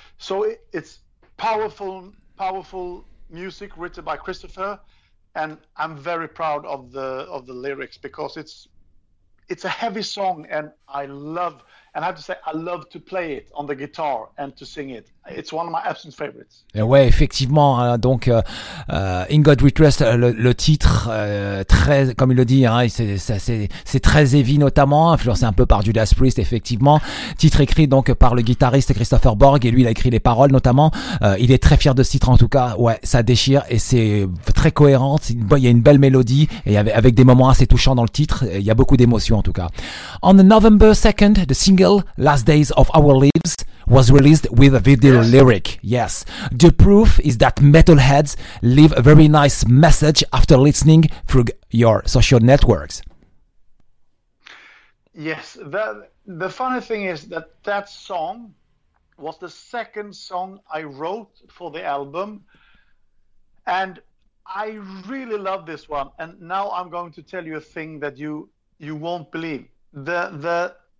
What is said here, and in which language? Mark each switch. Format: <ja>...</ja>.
<en>So it's powerful music written by Christopher, and I'm very proud of the lyrics because it's a heavy song, and I have to say I love to play it on the guitar and to sing it. It's one of my absolute favorites.</en> <fr>Et ouais, effectivement, hein, donc In God We Trust, le titre très, comme il le dit, hein, c'est très heavy, notamment influencé un peu par Judas Priest, effectivement. Titre écrit donc par le guitariste Christopher Borg, et lui il a écrit les paroles notamment. Il est très fier de ce titre, en tout cas. Ouais, ça déchire et c'est très cohérent. Il y a une belle mélodie et avec des moments assez touchants dans le titre. Il y a beaucoup d'émotions, en tout cas.</fr> <en>On November 2nd, the single Last Days of Our Lives was released with a video. Yes. Lyric, yes. The proof is that metalheads leave a very nice message after listening through your social networks. Yes, the funny thing is that song was the second song I wrote for the album, and I really love this one. And now I'm going to tell you a thing that you won't believe. The</en>